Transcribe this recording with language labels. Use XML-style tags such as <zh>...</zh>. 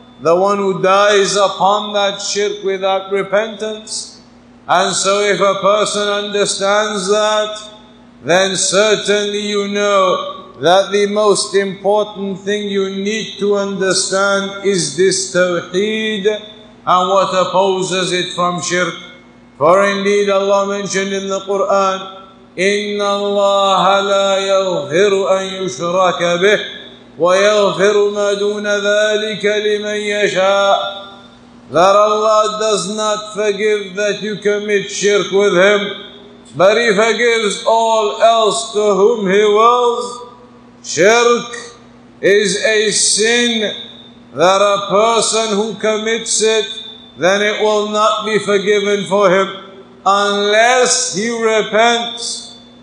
<en>The one who dies upon that shirk without repentance. And so if a person understands that, then certainly you know that the most important thing you need to understand is this Tawheed and what opposes it from shirk. For indeed Allah mentioned in the Quran,</en> <ar>إِنَّ اللَّهَ لَا يَغْفِرُ أَن يُشْرَكَ بِهِ وَيَغْفِرُ مَا دُونَ ذَلِكَ لِمَنْ يَشَاءُ.</ar> <en>That Allah does not forgive that you commit shirk with Him, but He forgives all else to whom He wills. Shirk is a sin that a person who commits it, then it will not be forgiven for him unless he repents.</en>